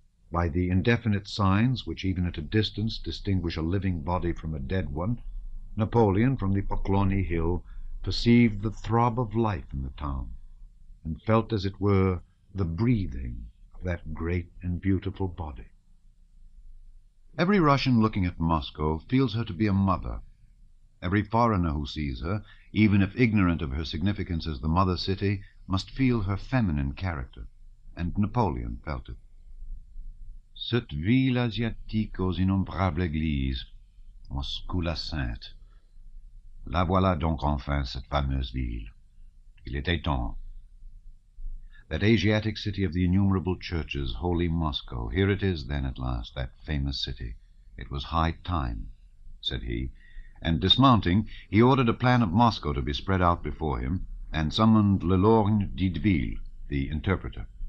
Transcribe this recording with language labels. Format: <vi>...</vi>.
<en>By the indefinite signs which even at a distance distinguish a living body from a dead one, Napoleon, from the Poklonny Hill, perceived the throb of life in the town, and felt, as it were, the breathing of that great and beautiful body. Every Russian looking at Moscow feels her to be a mother. Every foreigner who sees her, even if ignorant of her significance as the mother city, must feel her feminine character, and Napoleon felt it.</en> <fr>Cette ville asiatique aux innombrables églises, Moscou la Sainte. La voilà donc enfin cette fameuse ville. Il était temps.</fr> <en>That Asiatic city of the innumerable churches, holy Moscow, here it is then at last, that famous city. It was high time, said he, and dismounting, he ordered a plan of Moscow to be spread out before him, and summoned Lelorgne d'Ideville, the interpreter.</en>